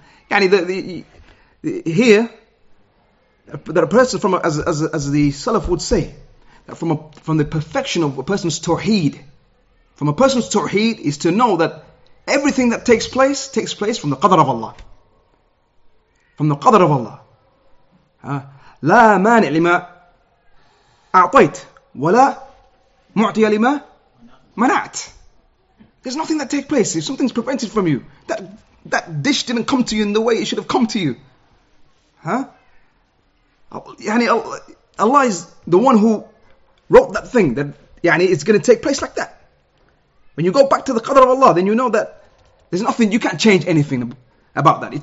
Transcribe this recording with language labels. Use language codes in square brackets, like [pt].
[en] Yani here, that a person from as the Salaf would say, that from the perfection of a person's tawheed, from a person's tawheed is to know that everything that takes place from the qadr of Allah. From the qadr of Allah. [ar] لا مانع لما أعطيت ولا معطي لما منعت. [en] There's nothing that takes place. If something's prevented from you, that dish didn't come to you in the way it should have come to you. Yani Allah is the one who wrote that thing that yani it's going to take place like that. When you go back to the qadr of Allah, then you know that there's nothing, you can't change anything about that.